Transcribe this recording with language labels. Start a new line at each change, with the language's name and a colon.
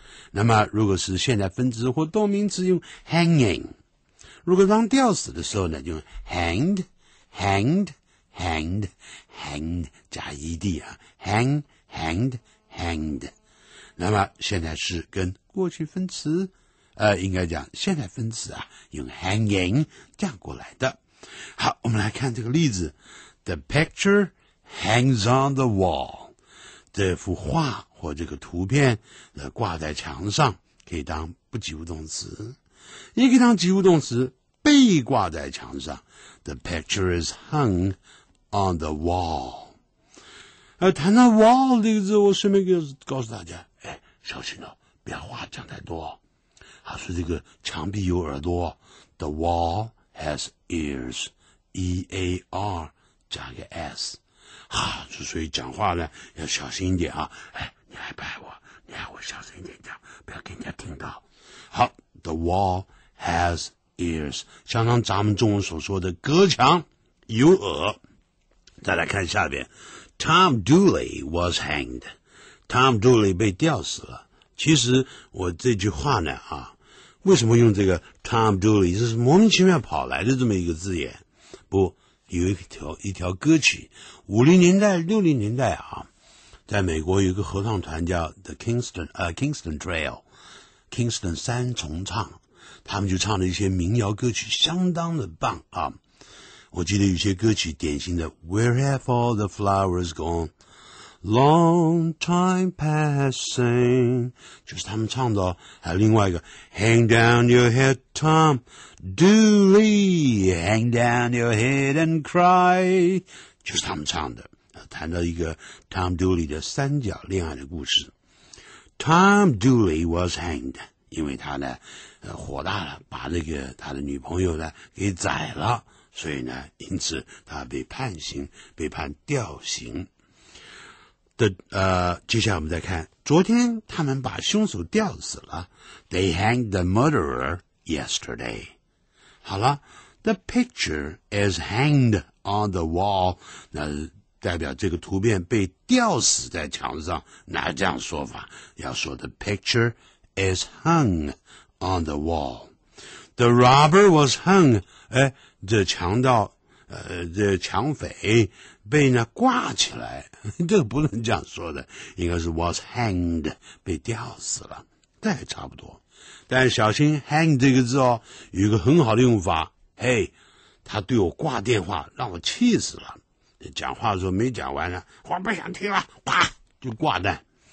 Chinese: 那么如果是现在分词或动名词用 hanging， 如果当吊死的时候呢就用 hanged 加 ed 啊， hanged。那么现在是跟过去分词应该讲现在分词啊，用 hanging 这样过来的。好，我们来看这个例子。
English: The picture hangs on the wall.
Chinese: 这幅画或这个图片挂在墙上，可以当不及物动词，也可以当及物动词，被挂在墙上。
English: The picture is hung on the wall.
Chinese: 谈到 wall 这个字，我顺便告诉大家，小心哦，不要话讲太多。他说这个墙壁有耳朵，
English: the wall has ears,
Chinese: E-A-R, 加个 S。哈，所以讲话呢要小心一点啊，你害怕我，你害我小心一点讲，不要给人家听到。好，
English: the wall has ears，
Chinese: 相当咱们中文所说的隔墙有耳。再来看下边，
English: Tom Dooley was hanged，
Chinese: Tom Dooley 被吊死了。其实我这句话呢啊，为什么用这个 Tom Dooley， 这是莫名其妙跑来的这么一个字眼。不，有一条歌曲 ,50 年代 ,60 年代啊，在美国有一个合唱团叫 The Kingston Trail， Kingston 三重唱，他们就唱了一些民谣歌曲，相当的棒啊。我记得有些歌曲典型的
English: Where have all the flowers gone， Long time passing,
Chinese: 就是他们唱的、哦、还有另外一个
English: Hang down your head, Tom Dooley, Hang down your head and cry,
Chinese: 就是他们唱的，谈到一个 Tom Dooley 的三角恋爱的故事。
English: Tom Dooley was hanged,
Chinese: 因为他呢、火大了，把那个他的女朋友呢给宰了，所以呢，因此他被判刑，被判吊刑。的接下来我们再看，昨天他们把凶手吊死了。
English: They hanged the murderer yesterday.
Chinese: 好了
English: ，the picture is hanged on the wall.
Chinese: 那代表这个图片被吊死在墙上。哪这样说法？要说
English: the picture is hung on the wall. The robber was hung.
Chinese: 哎，这强盗。这强匪被呢挂起来，这个不能这样说的，应该是 was hanged, 被吊死了，这也差不多。但小心 hang 这个字哦，有一个很好的用法，嘿，他对我挂电话，让我气死了，讲话的时候没讲完呢，我不想听了，啪就挂断。